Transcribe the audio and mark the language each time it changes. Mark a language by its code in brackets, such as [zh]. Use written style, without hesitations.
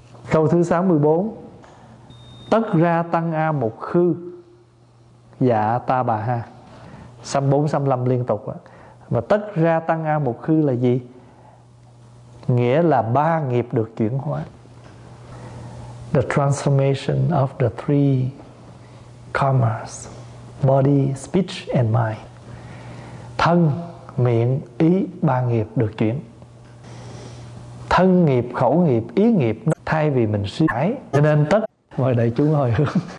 [vi] Câu thứ 64: Tất ra Tăng A Mục Khư, dạ Ta Bà Ha. 64, 65 liên tục đó. Mà Tất ra Tăng A Mục Khư là gì? Nghĩa là ba nghiệp được chuyển hóa. [en] The transformation of the three karmas: body, speech and mind. [vi] Thân, miệng, ý, ba nghiệp được chuyển. Thân nghiệp, khẩu nghiệp, ý nghiệp, thay vì mình suy thải. Cho nên tất mời đại chúng hồi hướng.